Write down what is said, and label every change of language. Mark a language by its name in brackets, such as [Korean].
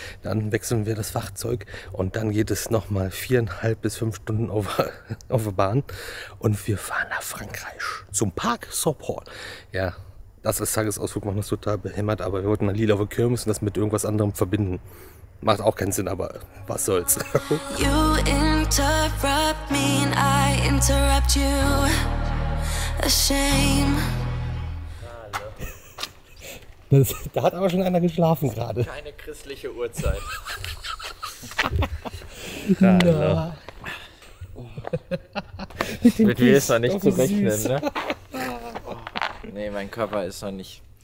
[German] Dann wechseln wir das Fahrzeug und dann geht es nochmal 4,5 bis 5 Stunden auf der Bahn und wir fahren nach Frankreich zum Parc Saint-Paul. Ja. Das ist Tagesausflug, macht uns total behämmert, aber wir wollten mal Lila auf der Kirmes und das mit irgendwas anderem verbinden. Macht auch keinen Sinn, aber was soll's. [English] You interrupt me and I interrupt you. A shame. [German] Das, da hat aber schon einer geschlafen gerade. Keine christliche Uhrzeit. Ja. Mit mir ist da nicht zu rechnen, ne? Nee, mein Körper ist noch nicht.